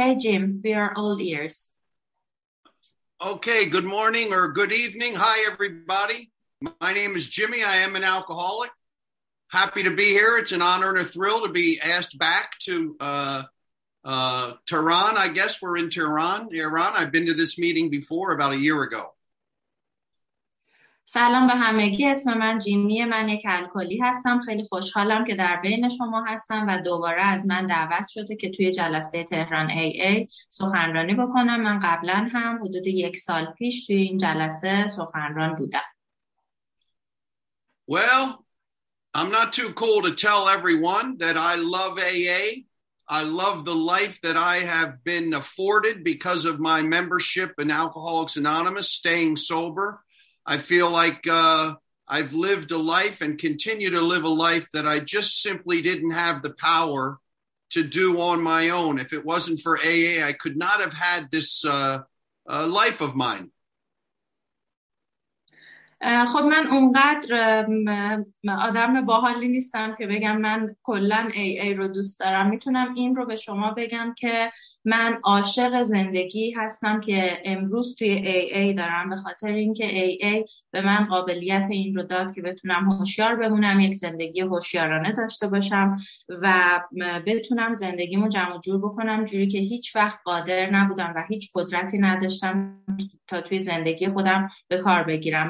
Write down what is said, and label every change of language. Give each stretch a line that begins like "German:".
English: Hey Jim, we are all ears. Okay, good morning or good evening, hi everybody, my name is Jimmy, I am an alcoholic, happy to be here. It's an honour and a thrill to be asked back to Tehran. I guess we're in Tehran, Iran. I've been to this meeting before about a year ago.
Persian: سلام به همگی، اسم من جیمیه، من یک الکلی هستم. خیلی خوشحالم که در بین شما هستم و دوباره از من دعوت شده که توی جلسه تهران AA سخنرانی بکنم. من قبلا هم حدود یک سال پیش توی این جلسه سخنران بودم.
English: Well, I'm not too cool to tell everyone that I love AA. I love the life that I have been afforded because of my membership in Alcoholics Anonymous, staying sober. I feel like I've lived a life and continue to live a life that I just simply didn't have the power to do on my own. If it wasn't for AA, I could not have had this life of mine.
Persian: خب من اونقدر آدم باحالی نیستم که بگم من کلن AA رو دوست دارم. میتونم این رو به شما بگم که من عاشق زندگی هستم که امروز توی AA دارم، به خاطر اینکه AA به من قابلیت این رو داد که بتونم هوشیار بمونم، یک زندگی هوشیارانه داشته باشم و بتونم زندگیمو جمع و جور بکنم جوری که هیچ وقت قادر نبودم و هیچ قدرتی نداشتم تا توی زندگی خودم به کار بگیرم.